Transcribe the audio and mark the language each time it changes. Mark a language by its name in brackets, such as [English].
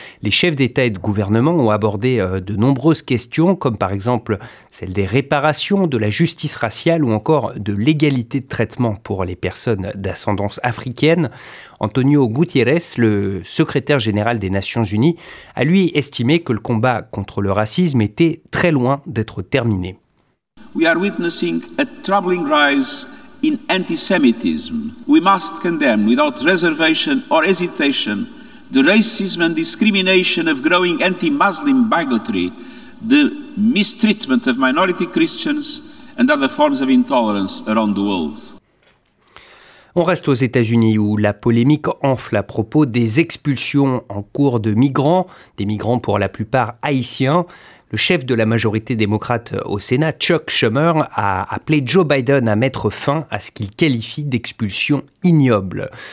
[French] Les chefs d'État et de gouvernement ont abordé de nombreuses questions, comme par exemple celle des réparations, de la justice raciale ou encore de l'égalité de traitement pour les personnes d'ascendance africaine. Antonio Guterres, le secrétaire général des Nations Unies, a lui estimé que le combat contre le racisme était très loin d'être terminé. [English] We are witnessing a troubling rise in antisemitism. We must condemn without reservation or hesitation the racism and discrimination of growing anti-Muslim bigotry, the mistreatment of minority Christians and other forms of intolerance around the world. [French] On reste aux États-Unis où la polémique enfle à propos des expulsions en cours de migrants, des migrants pour la plupart haïtiens. Le chef de la majorité démocrate au Sénat, Chuck Schumer, a appelé Joe Biden à mettre fin à ce qu'il qualifie d'expulsion ignoble.